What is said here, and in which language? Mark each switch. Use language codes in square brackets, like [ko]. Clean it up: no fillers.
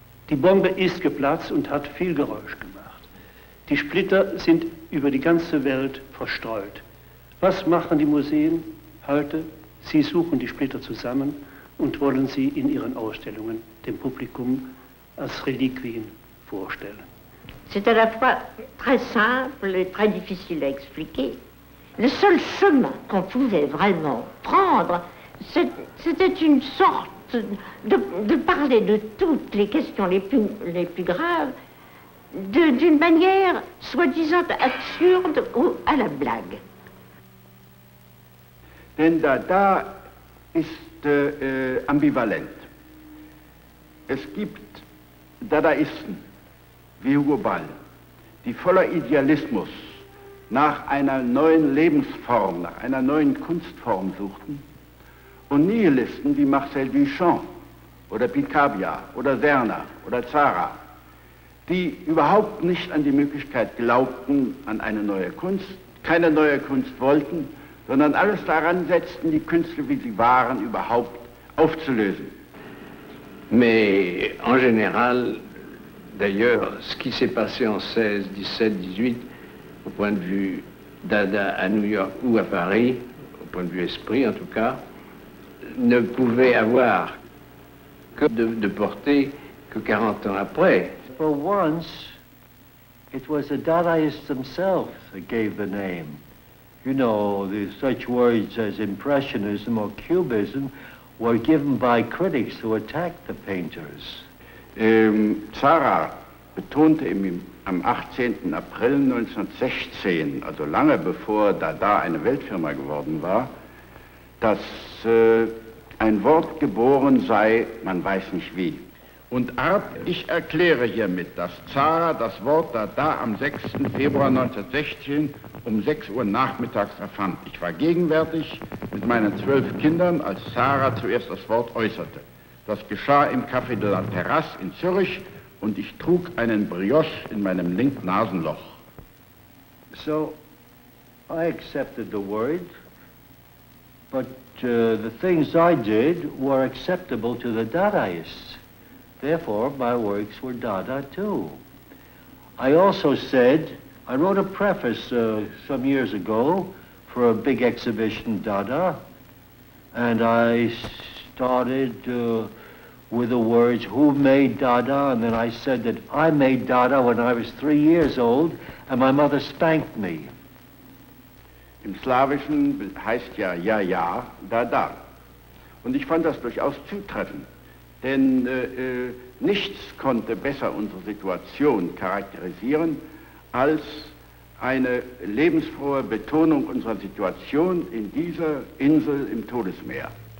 [de] Die Bombe ist geplatzt und hat viel Geräusch gemacht. Die Splitter sind über die ganze Welt verstreut. Was machen die Museen heute? Sie suchen die Splitter zusammen und wollen sie in ihren Ausstellungen dem Publikum als Reliquien vorstellen. [fr] C'est à la fois très simple et très difficile à expliquer. Le seul chemin qu'on pouvait vraiment prendre, c'était une sorte de parler de toutes les questions les plus graves d'une manière soi-disant absurde ou à la blague. [de] Denn Dada ist ambivalent. Es gibt Dadaisten wie Hugo Ball, die voller Idealismus nach einer neuen Lebensform, nach einer neuen Kunstform suchten, und Nihilisten wie Marcel Duchamp oder Picabia oder Serna oder Zara, die überhaupt nicht an die Möglichkeit glaubten, an eine neue Kunst, keine neue Kunst wollten, sondern alles daran setzten, die Künstler, wie sie waren, überhaupt aufzulösen. [fr] Mais en général, d'ailleurs, ce qui s'est passé en 16, 17, 18, au point de vue Dada à New York ou à Paris, au point de vue esprit en tout cas, ne pouvait avoir que de portée que 40 ans après. [en] For once, it was the Dadaists themselves that gave the name. You know, such words as impressionism or cubism were given by critics who attacked the painters. [de] Zara betonte am 18. April 1916, also lange bevor Dada eine Weltfirma geworden war, dass ein Wort geboren sei, man weiß nicht wie. Und Art, ich erkläre hiermit, dass Zara das Wort Dada am 6. Februar 1916 um 6 Uhr nachmittags erfand. Ich war gegenwärtig mit meinen 12 Kindern, als Zara zuerst das Wort äußerte. Das geschah im Café de la Terrasse in Zürich und ich trug einen Brioche in meinem linken Nasenloch. [en] So, I accepted the word, but the things I did were acceptable to the Dadaists. Therefore, my works were Dada too. I also said, I wrote a preface some years ago for a big exhibition Dada, and I started with the words, who made Dada? And then I said that I made Dada when I was 3 years old and my mother spanked me. [de] Im Slawischen heißt ja, ja, ja, Dada. Und ich fand das durchaus zutreffend, denn nichts konnte besser unsere Situation charakterisieren als eine lebensfrohe Betonung unserer Situation in dieser Insel im Todesmeer.